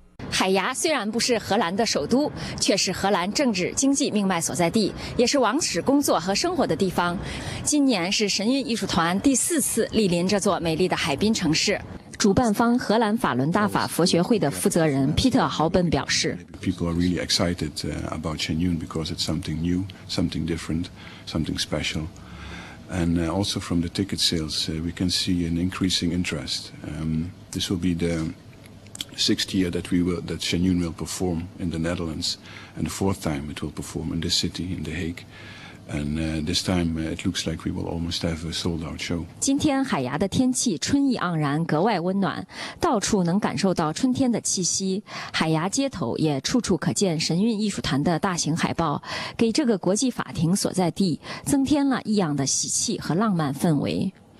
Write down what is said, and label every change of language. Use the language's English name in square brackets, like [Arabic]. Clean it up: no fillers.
[Chinese] 海牙虽然不是荷兰的首都，却是荷兰政治经济命脉所在地，也是王室工作和生活的地方。今年是神韵艺术团第四次莅临这座美丽的海滨城市。主办方荷兰法伦大法佛学会的负责人皮特·豪本表示， [English] People are really excited about Shenyun because it's something new, something different, something special. And also from the ticket sales, we can see an increasing interest. This will be the sixth year that Shenyun will perform in the Netherlands, and the fourth time it will perform in this city, in The Hague. And this time, it looks like we will almost have a sold-out show. [Chinese] 今天海牙的天气春意盎然，格外温暖，到处能感受到春天的气息。海牙街头也处处可见神韵艺术团的大型海报，给这个国际法庭所在地增添了异样的喜气和浪漫氛围。